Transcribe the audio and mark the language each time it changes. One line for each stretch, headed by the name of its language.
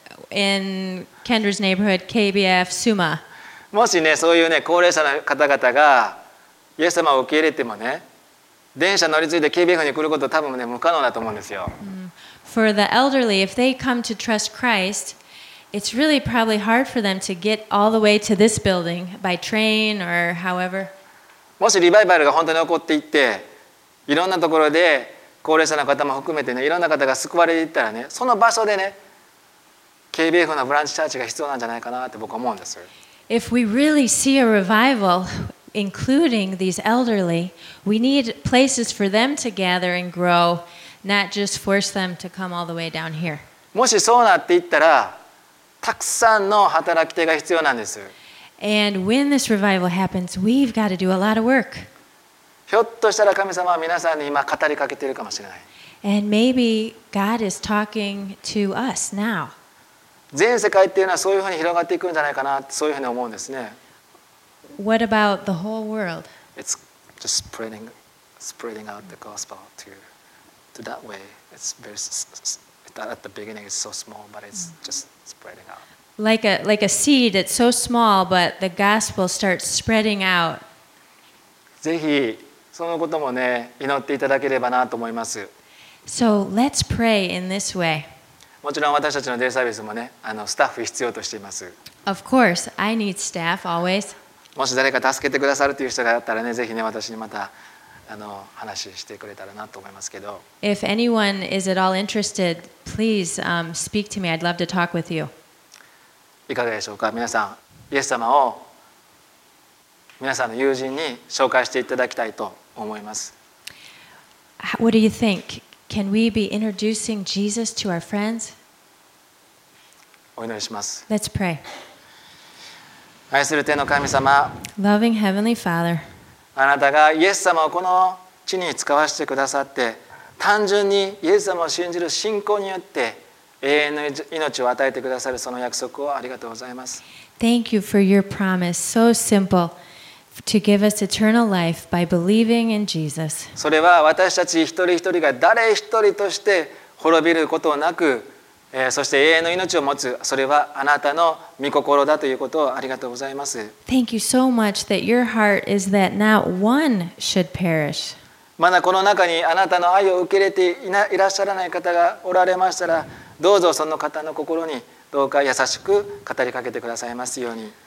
English: In Kendra's neighborhood, KBF Suma.
Japanese: もしね、そういうね、高齢者の方々がイエス様を受け入れてもね、電車乗り継いで KBF に来ることは多分ね、不可能だと思うんですよ。
English: For the elderly, if they come to trust Christ, it's really probably hard for them to get all the way to this building by train or however.
Japanese: もしリバイバルが本当に起こっていって、いろんなところで高齢者の方も含めてね、いろんな方が救われていったらね、その場所でね、 KBF のブランチチャーチが必要なんじゃないかなって僕は思うんです。
English: If we really see a revival, including these elderly, we need places for them to gather and grow, not just force them to come all the way down here.
Japanese: もしそうなっていったら、たくさんの働き手が必要なんです。
English: And when this revival happens, we've got to do a lot of work.
Japanese: ひょっとしたら神様は皆さんに今語りかけているかもしれない。
English: And maybe God is talking to us now.
Japanese: 全世界っていうのはそういうふうに広がっていくんじゃないかなってそういうふうに思うんですね。
English: What about the whole world? It's just spreading out the gospel to that way. It's very at the beginning it's so small, but it's just spreading out. Like a seed, it's so small, but the gospel starts spreading out.
Japanese: ぜひそのこともね祈っていただければなと思います。
English: So let's pray in this way.
Japanese: もちろん私たちのデイサービスもね、スタッフ必要としています。
English: Of course, I need staff always.
Japanese: もし誰か助けてくださるという人があったらね、ぜひね、私にまた話してくれたらなと思いますけど。
English: If anyone is at all interested, please speak to me. I'd love to talk with you.
Japanese: いかがでしょうか、皆さん、イエス様を皆さんの友人に紹介していただきたいと思います。
English: What do you think? Can we be introducing Jesus to our friends?
Japanese: お祈りします。
English: Let's pray.
Japanese: 愛する天の神様、
English: Loving Heavenly Father,
Japanese: あなたがイエス様をこの地に使わせてくださって、単純にイエス様を信じる信仰によって永遠の命を与えてくださるその約束をありがとうございます。
English: Thank you for your promise, so simple. To give us eternal life by believing in Jesus.
Japanese: それは私たち一人一人が誰一人として滅びることなく、そして永遠の命を持つ、それはあなたの御心だということをありがとうございます。
English: Thank you so much that your heart is that not one should perish.
Japanese: まだこの中にあなたの愛を受け入れて いらっしゃらない方がおられましたら、どうぞその方の心にどうか優しく語りかけてくださいますように。